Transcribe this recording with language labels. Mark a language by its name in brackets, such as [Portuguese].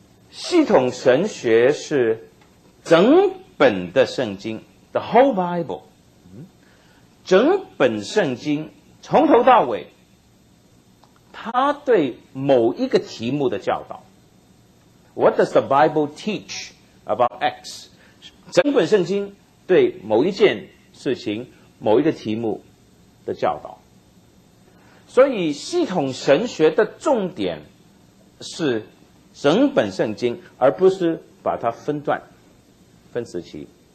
[Chinese] 系统神学是整本的圣经 [English] the whole bible， [Chinese] 整本圣经从头到尾他对某一个题目的教导。 [English] What does the Bible teach about X？ [Chinese] 整本圣经对某一件事情某一个题目的教导。所以系统神学的重点是整本圣经，而不是把它分段分时期。